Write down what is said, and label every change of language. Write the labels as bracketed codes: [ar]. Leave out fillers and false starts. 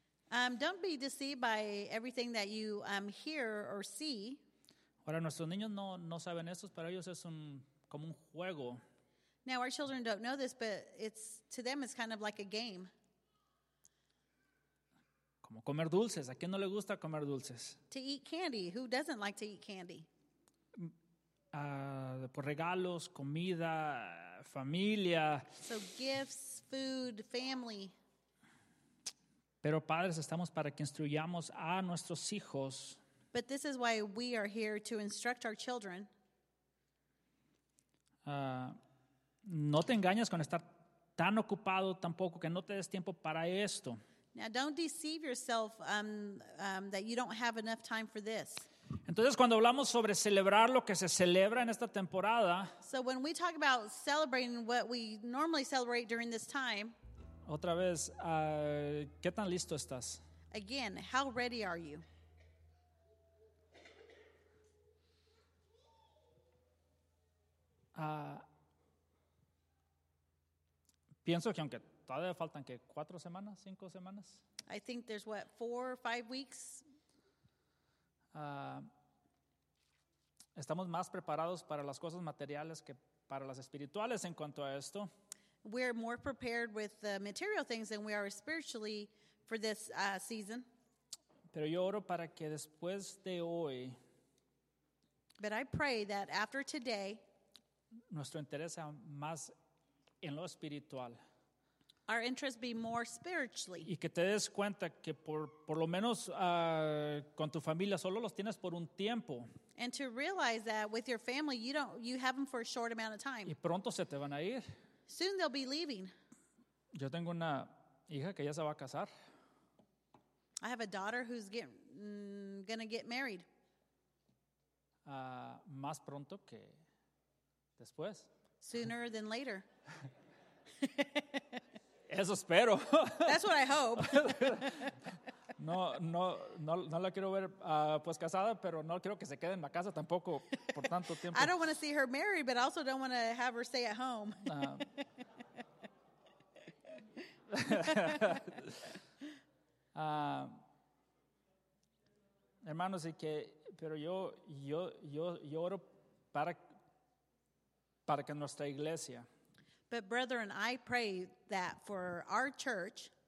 [en] Don't be deceived by everything that you hear or see. [es] Ahora nuestros niños no saben eso, para ellos es como un juego. [en] Now our children don't know this, but to them it's kind of like a game. [es] Como comer dulces. ¿A quién no le gusta comer dulces? [en] To eat candy. Who doesn't like to eat candy? [es] Por regalos, comida, familia. [en] So gifts, food, family. [es] Pero padres estamos para que instruyamos a nuestros hijos. [en] But this is why we are here to instruct our children. [es] No te engañes con estar tan ocupado tampoco que no te des tiempo para esto. [en] Now, don't deceive yourself that you don't have enough time for this. [es] Entonces, cuando hablamos sobre celebrar lo que se celebra en esta temporada, [en] so when we talk about celebrating what we normally celebrate during this time, [es] otra vez, ¿qué tan listo estás? [en] Again, how ready are you? [es] Pienso que aunque todavía faltan que 4 semanas, 5 semanas. [en] I think there's what, 4 or 5 weeks. [es] Estamos más preparados para las cosas materiales que para las espirituales en cuanto a esto. [en] We're more prepared with the material things than we are spiritually for this season. [es] Pero yo oro para que después de hoy. [en] But I pray that after today. [es] Nuestro interés sea más en lo espiritual. [en] Our interest be more spiritually. [es] Y que te des cuenta que por lo menos con tu familia solo los tienes por un tiempo. [en] And to realize that with your family you have them for a short amount of time. [es] Y pronto se te van a ir. [en] Soon they'll be leaving. [es] Yo tengo una hija que ya se va a casar. [en] I have a daughter who's gonna get married. [es] Más pronto que después. [en] Sooner than later. [es] Eso espero. [en] That's what I hope. [es] No la quiero ver pues casada, pero no quiero que se quede en la casa tampoco por tanto tiempo. [en] I don't want to see her married, but I also don't want to have her stay at home. [es] Hermanos, y que pero yo oro para que nuestra iglesia. [en] But brethren, I pray that for our church,